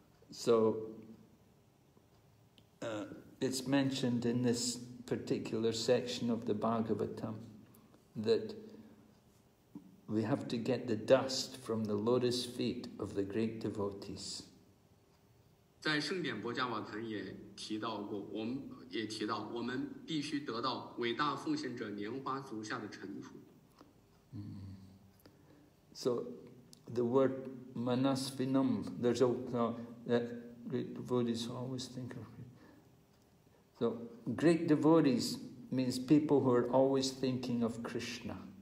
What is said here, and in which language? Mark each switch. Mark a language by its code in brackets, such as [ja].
[en] So, it's mentioned in this particular section of the Bhagavatam that we have to get the dust from the lotus feet of the great devotees. [zh] 在圣典波迦瓦坛也提到过，我们也提到，我们必须得到伟大奉献者莲花足下的尘土。 [en] So the word manasvinam, there's a great devotees always think of it. So great devotees means people who are always thinking of Krishna.